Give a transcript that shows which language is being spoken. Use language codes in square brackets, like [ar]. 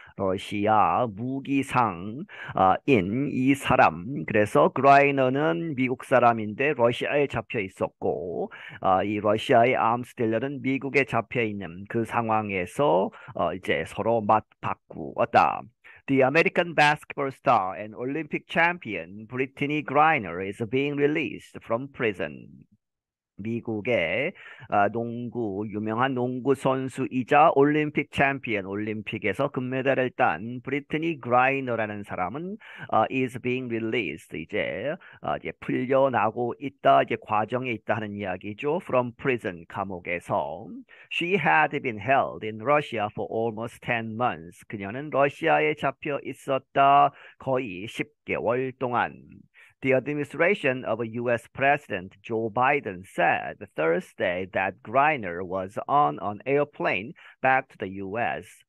[ko] 러시아 무기상인 이 사람. 그래서 Griner는 미국 사람인데 러시아에 잡혀 있었고, 이 러시아의 암스텔러는 미국에 잡혀 있는 그 상황에서 이제 서로 맞바꾸었다. [en] The American basketball star and Olympic champion Brittany Griner is being released from prison. [ko] 미국의 유명한 농구 선수이자 올림픽 챔피언, 올림픽에서 금메달을 딴 브리트니 그라이너라는 사람은 [en] is being released, [ko] 이제 풀려나고 있다, 이제 과정에 있다는 이야기죠. [en] From prison, [ko] 감옥에서. [en] She had been held in Russia for almost 10 months. [ko] 그녀는 러시아에 잡혀 있었다, 거의 10개월 동안. [en] The administration of US President Joe Biden said Thursday that Griner was on an airplane back to the US.